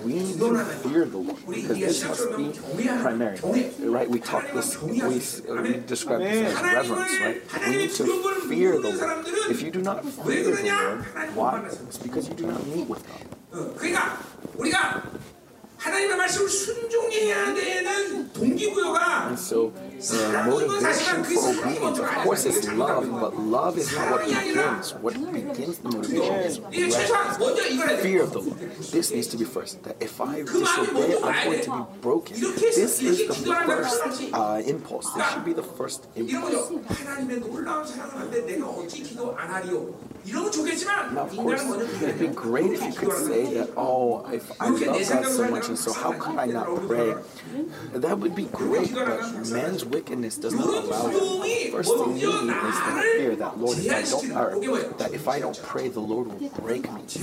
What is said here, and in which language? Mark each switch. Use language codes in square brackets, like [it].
[en] We need to fear the Lord because this must be primary, right? We talk this, we describe this as reverence, right? We need to fear the Lord. If you do not fear the Lord, why? It's because you do not meet with God. [ko] 하나님의 말씀을 순종해야 되는 동기부여가 사랑인 건 사실은 그 사랑이 먼저 가야 돼요. 사랑이 아니라 최소한 먼저 이거라 [en] fear of the Lord. This needs to be first. That if I disobey, I'm going to be broken. This is the first impulse. This should be the first impulse. [ko] 하나님의 놀라운 사랑인데 내가 어찌 기도 안 하리요. [en] Now, of course, it'd be great if you could say that, oh, if I love God so much, and so how could I not pray? That would be great, but man's wickedness does not allow it. The first thing you need is the fear that, Lord, if I don't, or, that if I don't pray, the Lord will break me.